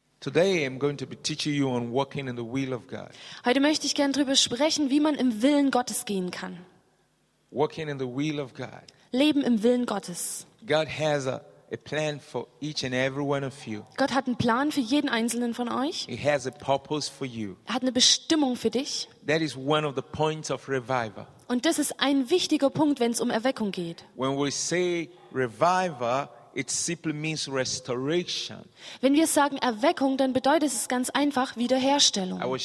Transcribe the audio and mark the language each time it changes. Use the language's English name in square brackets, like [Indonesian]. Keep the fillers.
[English] Today I'm going to be teaching you on walking in the will of God. [German] Heute möchte ich gerne darüber sprechen, wie man im Willen Gottes gehen kann. [English] Walking in the will of God. [German] Leben im Willen Gottes. [English] God has a, a plan for each and every one of you. [German] Gott hat einen Plan für jeden einzelnen von euch. [English] He has a purpose for you. [German] Er hat eine Bestimmung für dich. [English] That is one of the points of revival. [German] Und das ist ein wichtiger Punkt, wenn es um Erweckung geht. [English] When we say revival, it simply means restoration. [German] Wenn wir sagen Erweckung, dann bedeutet es ganz einfach Wiederherstellung.